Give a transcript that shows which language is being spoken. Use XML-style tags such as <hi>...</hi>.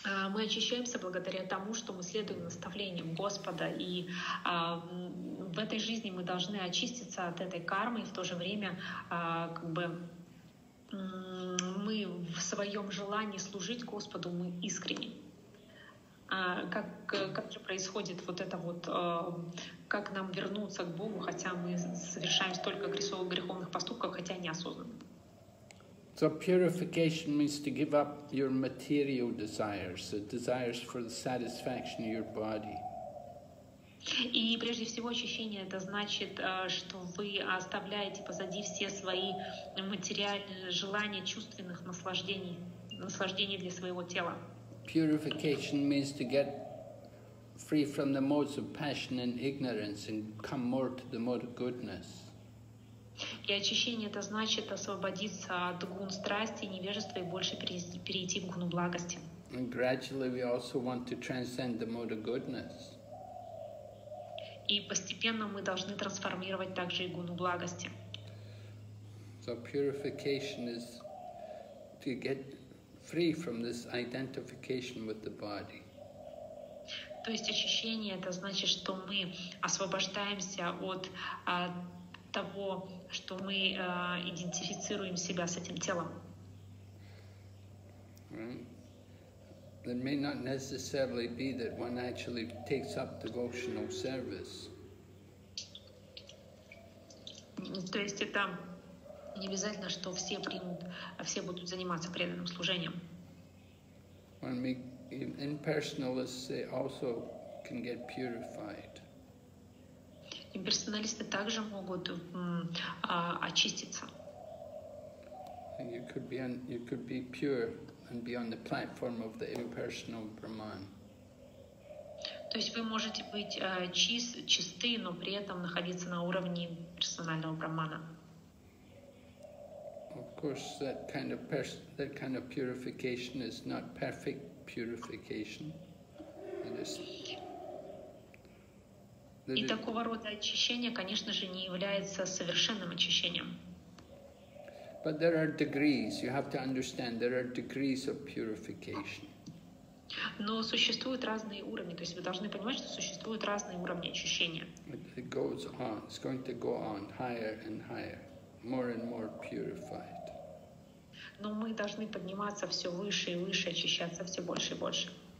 <ru>Мы очищаемся благодаря тому, что мы следуем наставлениям Господа, и в этой жизни мы должны очиститься от этой кармы, и в то же время мы в своем желании служить Господу, мы искренне. Как же происходит вот это вот, как нам вернуться к Богу, хотя мы совершаем столько греховных поступков, хотя неосознанно.</ru> <en>So purification means to give up your material desires, the desires for the satisfaction of your body.</en> <ru>И прежде всего очищение это значит, что вы оставляете позади все свои материальные желания чувственных наслаждений для своего тела.</ru> <en>Purification means to get free from the modes of passion and ignorance and come more to the mode of goodness.</en> <ru>И очищение — это значит освободиться от гун страсти и невежества и больше перейти в гуну благости.</ru> <en>And gradually we also want to transcend the mode of goodness.</en> <ru>И постепенно мы должны трансформировать также и гуну благости.</ru> <en>So purification is to get free from this identification with the body.</en> <ru>То есть очищение — это значит, что мы освобождаемся от того, что мы идентифицируем себя с этим телом.</ru> <en>Right. It may not necessarily be that one actually takes up devotional service.</en> <ru>То есть это не обязательно, что все примут, а все будут заниматься преданным служением.</ru> <en>One may, impersonalists say, also can get purified.</en> <ru>Имперсоналисты также могут очиститься.</ru> <en>You could be pure and be on the platform of the impersonal Brahman.</en> <ru>То есть вы можете быть чисты, но при этом находиться на уровне персонального Брахмана.</ru> <en>Of course, that kind of purification is not perfect purification. It is.</en> <ru>И такого рода очищение, конечно же, не является совершенным очищением.</ru> <en>But there are degrees. You have to understand there are degrees of purification.</en> <ru>Но существуют разные уровни. То есть вы должны понимать, что существуют разные уровни очищения.</ru> <en>It goes on. It's going to go on higher and higher, more and more purified.</en> <ru>Но мы должны подниматься все выше и выше, очищаться все больше и больше.</ru>